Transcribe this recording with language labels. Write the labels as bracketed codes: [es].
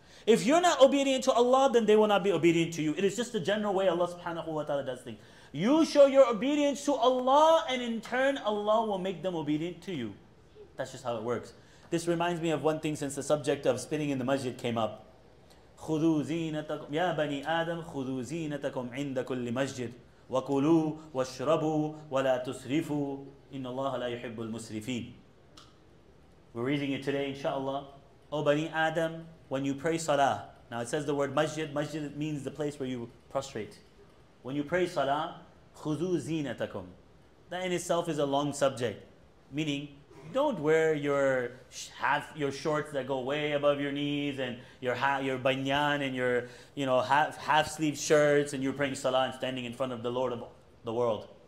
[en] If you're not obedient to Allah, then they will not be obedient to you. It is just the general way Allah subhanahu wa ta'ala does things. You show your obedience to Allah, and in turn, Allah will make them obedient to you. That's just how it works. This reminds me of one thing since the subject of spinning in the masjid came up. [ar] خُذُوا زِينَتَكُمْ يَا بَنِي آدَمْ خُذُوا زِينَتَكُمْ عِنْدَ كُلِّ مَسْجِدْ وَكُلُوا وَاشْرَبُوا وَلَا تُسْرِفُوا إِنَّ اللَّهَ لَا يُحِبُّ الْمُسْرِفِينَ. [en] We're reading it today, inshaAllah. O Bani Adam, when you pray salah, now it says the word masjid, masjid means the place where you prostrate. When you pray salah, [ar] خُذُوا زِينَتَكُمْ. [en] That in itself is a long subject, meaning don't wear your shorts that go way above your knees and your banyan and your, you know, half-sleeve shirts, and you're praying salah and standing in front of the Lord of the world.